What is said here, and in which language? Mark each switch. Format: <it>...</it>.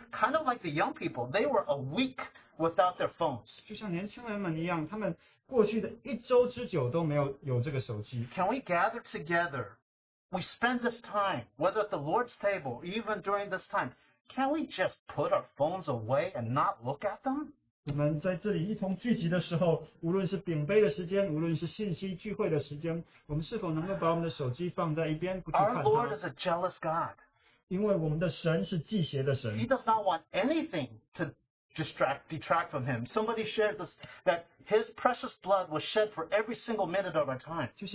<en>Kind of like the young people, they were a week without their phones.</en> <zh>就像年轻人们一样，他们过去的一周之久都没有有这个手机。</zh> <en>Can we gather together? We spend this time, whether at the Lord's table, even during this time. Can we just put our phones away and not look at them?</en> <zh>我们在这里一同聚集的时候，无论是饼杯的时间，无论是信息聚会的时间，我们是否能够把我们的手机放在一边？</zh> <en>Our Lord is a jealous God.</en> <zh>因为我们的神是忌邪的神。</zh> <en>He does not want anything to detract from Him. Somebody shared this that His precious blood was shed for every single minute of our time.</en>